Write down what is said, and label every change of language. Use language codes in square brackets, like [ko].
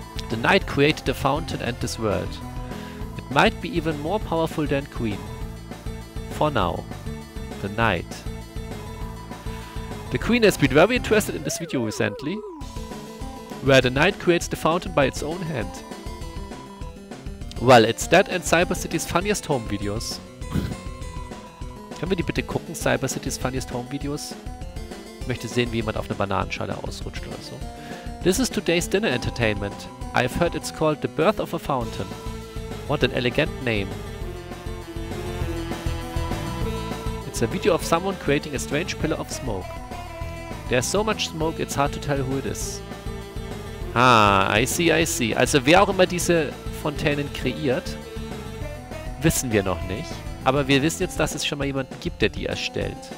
[en] The Knight created the fountain and this world. It might be even more powerful than Queen. For now. The Knight. The Queen has been very interested in this video recently. Where the Knight creates the fountain by its own hand. Well, it's that and Cyber City's Funniest Home Videos. [de] Können wir die bitte gucken, Cyber City's Funniest Home Videos? Ich möchte sehen, wie jemand auf eine Bananenschale ausrutscht oder so. [en] This is today's dinner entertainment. I've heard it's called The Birth of a Fountain. What an elegant name. It's a video of someone creating a strange pillar of smoke. There's so much smoke, it's hard to tell who it is. Ah, I see, I see. [de] Also wer auch immer diese Fontänen kreiert, wissen wir noch nicht. Aber wir wissen jetzt, dass es schon mal jemanden gibt, der die erstellt.